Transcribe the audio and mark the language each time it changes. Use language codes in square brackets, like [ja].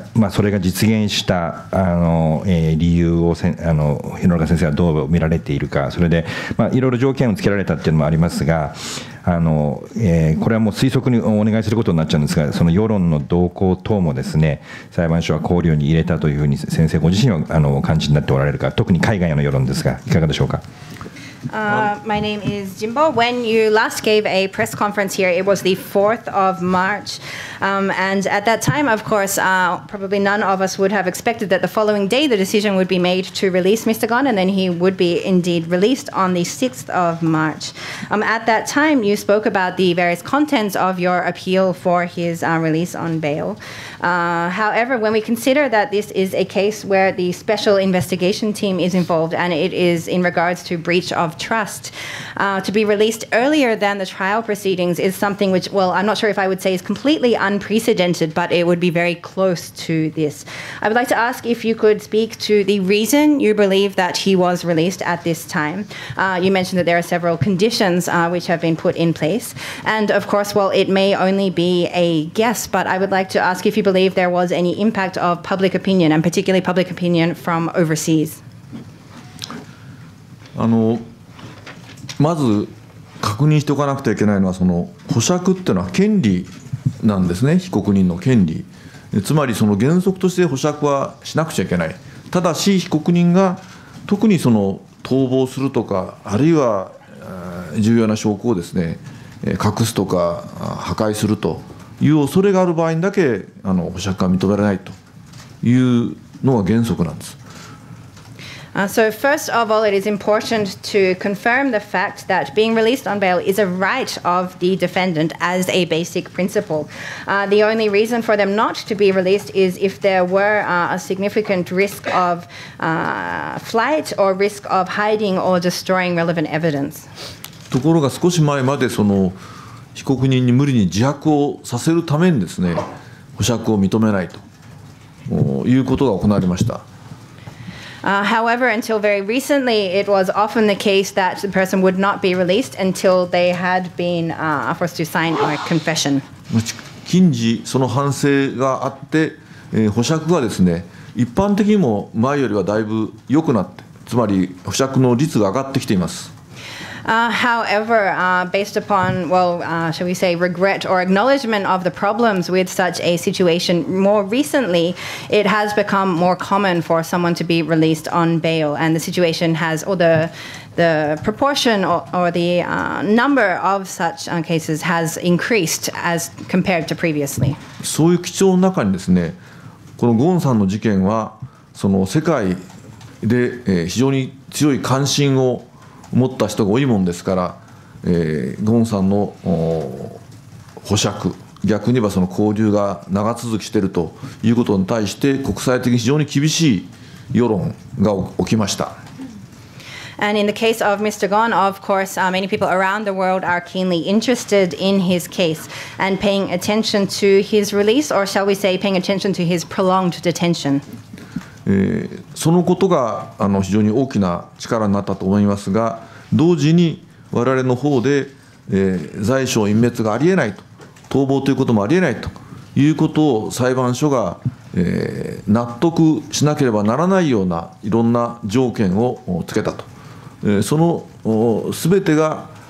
[ja] それが実現した理由を廣中先生はどう見られているか、それでいろいろ条件をつけられたっていうのもありますが、これはもう推測にお願いすることになっちゃうんですが、その世論の動向等もですね、裁判所は考慮に入れたというふうに先生ご自身はお感じになっておられるか、特に海外の世論ですが、いかがでしょうか。 [en] My name is Jimbo. When you last gave a press conference here, it was the 4th of March. And at that time, of course, probably none of us would have expected that the following day the decision would be made to release Mr. Gon, and then he would be indeed released on the 6th of March. At that time, you spoke about the various contents of your appeal for his release on bail. However, when we consider that this is a case where the special investigation team is involved and it is in regards to breach of trust, to be released earlier than the trial proceedings is something which, well, I'm not sure if I would say is completely unprecedented, but it would be very close to this. I would like to ask if you could speak to the reason you believe that he was released at this time. You mentioned that there are several conditions which have been put in place. And of course, well, it may only be a guess, but I would like to ask if you believe there was any impact of public opinion, and particularly public opinion from overseas. [ja] まず確認しておかなくてはいけないのは、その保釈っていうのは権利なんですね、被告人の権利、つまりその原則として保釈はしなくちゃいけない、ただし被告人が特にその逃亡するとか、あるいは重要な証拠をですね、隠すとか破壊するという恐れがある場合にだけ保釈が認められないというのが原則なんです。 [en] So first of all, it is important to confirm the fact that being released on bail is a right of the defendant as a basic principle. The only reason for them not to be released is if there were a significant risk of flight or risk of hiding or destroying relevant evidence. [ja] ところが少し前までその被告人に無理に自白をさせるためにですね、保釈を認めないということが行われました。 [en] However, until very recently, it was often the case that the person would not be released until they had been forced to sign a confession. [ja] 近似その反省があって、保釈がですね、一般的にも前よりはだいぶ良くなって、つまり保釈の率が上がってきています。 [en] However, based upon, shall we say, regret or acknowledgement of the problems with such a situation more recently, it has become more common for someone to be released on bail, and the situation has, or the proportion or the number of such cases has increased as compared to previously. [ja] そういう基調の中にですね、このゴーンさんの事件は、その世界で、非常に強い関心を持った人が多いもんですから、ゴンさんの保釈、逆に言えばその交流が長続きしているということに対して、国際的に非常に厳しい世論が起きました。 [en] And in the case of Mr. Gon, of course, many people around the world are keenly interested in his case and paying attention to his release, or shall we say, paying attention to his prolonged detention. [ja] そのことが非常に大きな力になったと思いますが、同時に我々の方で、罪証隠滅がありえないと、逃亡ということもありえないということを裁判所が、納得しなければならないようないろんな条件をつけたと、そのすべてが、